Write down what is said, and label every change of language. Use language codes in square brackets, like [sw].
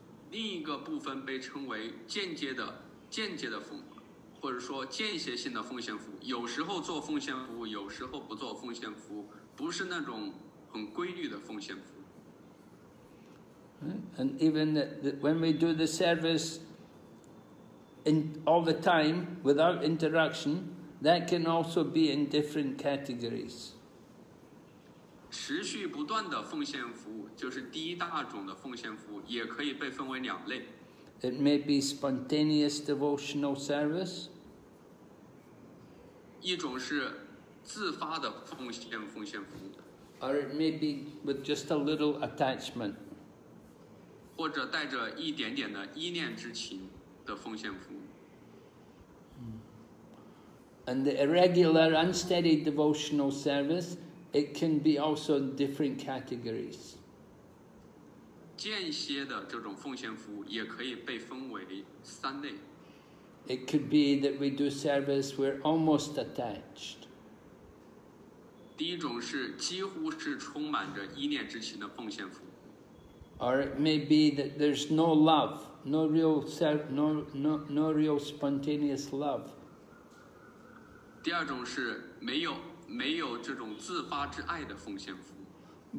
[zh] 另一个部分被称为间接的奉，或者说间歇性的奉献服务。有时候做奉献服务，有时候不做奉献服务，不是那种很规律的奉献服务。 [en] And even when we do the service. In all the time without interruption, that can also be in different categories. [zh] 持续不断的奉献服务就是第一大种的奉献服务，也可以被分为两类。 [en] It may be spontaneous devotional service. [zh] 一种是自发的奉献服务。 [en] Or it may be with just a little attachment. [zh] 或者带着一点点的依恋之情的奉献服务。 [en] And the irregular, unsteady devotional service, it can be also in different categories. [zh] 间歇的这种奉献服务也可以被分为三类。 [en] It could be that we do service, we're almost attached. [zh] 第一种是几乎是充满着依恋之情的奉献服务。 [en] Or it may be that there's no love, no real spontaneous love. [zh] 第二种是没有这种自发之爱的奉献服务。